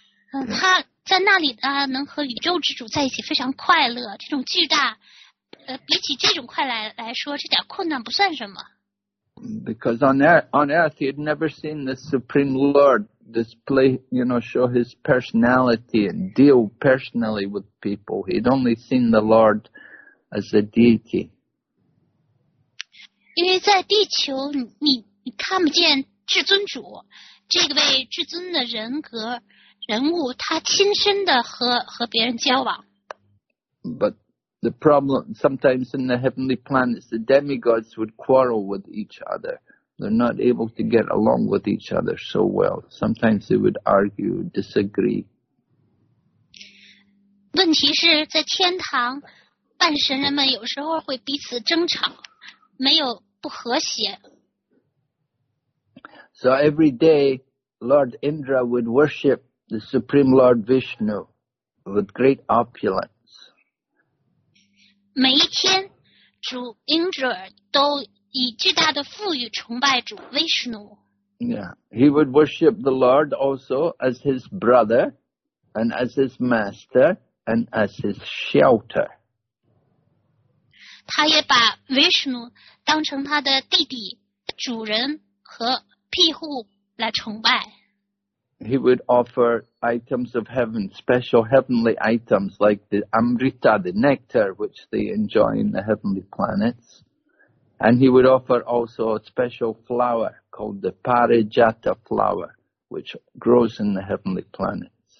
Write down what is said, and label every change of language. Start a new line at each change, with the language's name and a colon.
Chinese: 他在那里呢，能和宇宙之主在一起，非常快乐。这种巨大，比起这种快来说，这点困难不算什么。
English: Because on earth, he had never seen the Supreme Lord. Display, you know, show his personality and deal personally with people. He'd only seen the Lord as a deity.
Chinese: 因为在地球，你看不见至尊主，这位至尊的人格人物，他亲身的和别人交往。
English: But the problem sometimes in the heavenly planets, the demigods would quarrel with each other. They're not able to get along with each other so well. Sometimes they would argue, disagree.
Chinese: 问题是在天堂，半神人们有时候会彼此争吵，没有不和谐。
English: So every day, Lord Indra would worship the Supreme Lord Vishnu with great opulence.
Chinese: 每一天，主 Indra 都以巨大的富裕崇拜主威士努。
English: Yeah, he would worship the Lord also as his brother, and as his master, and as his shelter.
Chinese: 他也把威士努当成他的弟弟、主人和庇护来崇拜。
English: He would offer items of heaven, special heavenly items like the amrita, the nectar which they enjoy in the heavenly planets. And he would offer also a special flower called the Parijata flower, which grows in the heavenly planets.